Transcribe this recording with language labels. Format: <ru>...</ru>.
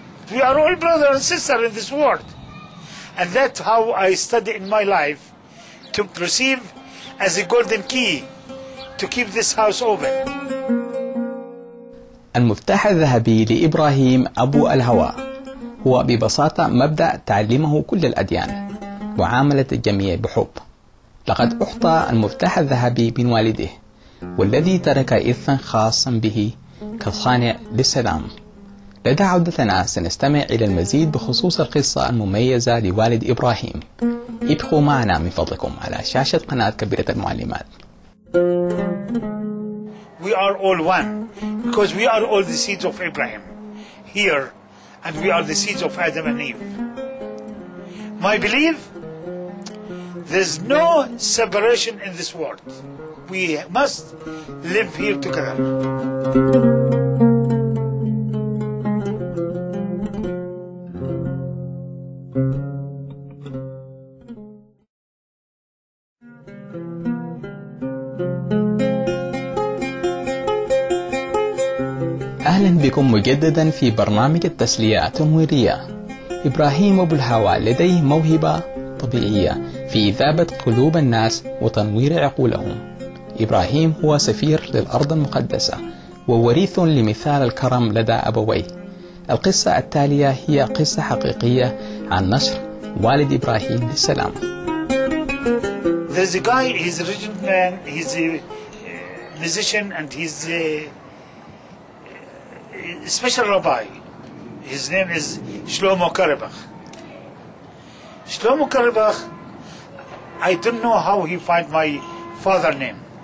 <en>We are all brother and sister in this world. And that's how I study in my life, to perceive as a golden key to keep this house open.</en> <ar>المفتاح الذهبي لإبراهيم أبو الهوى هو ببساطة مبدأ تعلمه كل الأديان، معاملة الجميع بحب. لقد أحطى المفتاح الذهبي من والده، والذي ترك إرثا خاصا به كصانع للسلام. لدى عودتنا سنستمع إلى المزيد بخصوص القصة المميزة لوالد إبراهيم. ابقوا معنا من فضلكم على شاشة قناة كبيرة المعلمات.</ar> <en>We are all one, because we are all the seeds of Abraham here, and we are the seeds of Adam and Eve. My belief, there's no separation in this world. We must live here together.</en> <ar>بكم مجددا في برنامج التسليات المهرية. إبراهيم أبو الهوى لديه موهبة طبيعية في إذابة قلوب الناس وتنوير عقولهم. إبراهيم هو سفير للأرض المقدسة ووريث لمثال الكرم لدى أبويه. القصة التالية هي قصة حقيقية عن نشر والد إبراهيم للسلام.</ar> <en>There's a guy, he's a rich man, he's a musician and he's a special rabbi. His name is Shlomo Karabach. Shlomo Karabach, I don't know how he find my father name.</en>